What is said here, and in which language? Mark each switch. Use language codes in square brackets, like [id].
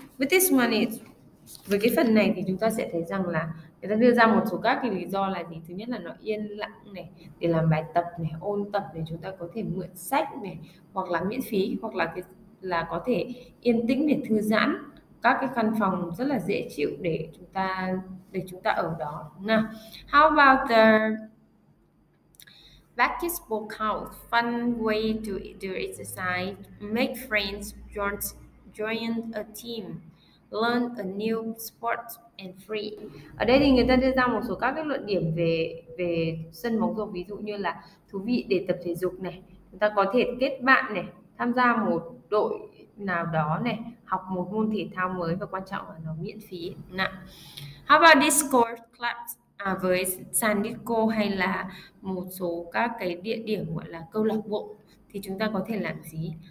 [en] With this one is, [vi] với cái phần này thì chúng ta sẽ thấy rằng là người ta đưa ra một số các cái lý do là gì? Thứ nhất là nó yên lặng này, để làm bài tập này, ôn tập này, chúng ta có thể mượn sách này, hoặc là miễn phí, hoặc là có thể yên tĩnh để thư giãn. Các cái căn phòng rất là dễ chịu để chúng ta ở đó. Nào, [en] how about the basketball court, fun way to do exercise, make friends, join a team, learn a new sport and free. [vi] Ở đây thì người ta đưa ra một số các cái luận điểm về sân bóng rổ, ví dụ như là thú vị để tập thể dục này, chúng ta có thể kết bạn này, tham gia một đội nào đó này, học một môn thể thao mới, và quan trọng là nó miễn phí. Nào, [en] how about Discord clubs? [vi] À, với sàn Discord hay là một số các cái địa điểm gọi là câu lạc bộ thì chúng ta có thể làm gì?